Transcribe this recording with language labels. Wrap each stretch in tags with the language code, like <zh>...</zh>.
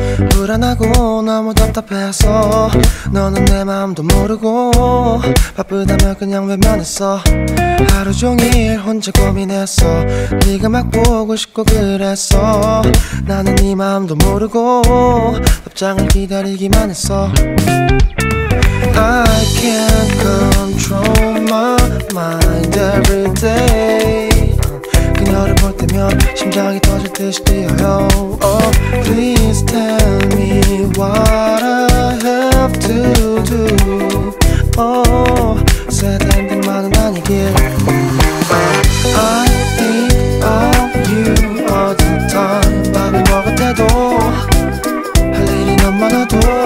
<ko>불안하고 너무 답답해서 너는 내 마음도 모르고 바쁘다며 그냥 외면했어. 하루 종일 혼자 고민했어. 네가 막 보고 싶고 그랬어. 나는 네 마음도 모르고 답장을 기다리기만 했어.</ko> <en>I can't control my mind every day.</en> <ko>그녀를 볼 때면 심장이 터질 듯이 뛰어요.</ko> <en>Oh, please tell me what I have to do. Oh, sad ending</en> <ko>만은 아니길.</ko> <en>I think of you all the time.</en> <ko>밥이 먹을 때도 할 일이 너무 많아도.</ko>